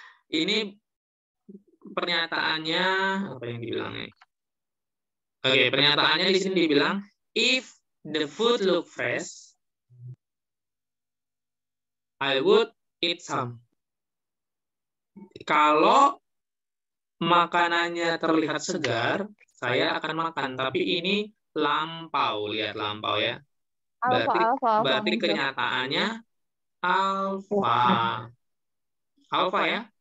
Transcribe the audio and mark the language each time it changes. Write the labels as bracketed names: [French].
[Indonesian] Ini pernyataannya apa yang dibilang nih? Oke, pernyataannya di sini dibilang [English] if the food look fresh, I would eat some. [Indonesian] Kalau makanannya terlihat segar, saya akan makan. Tapi ini lampau, lihat lampau ya. Berarti, alpha, berarti kenyataannya alfa. Alfa ya?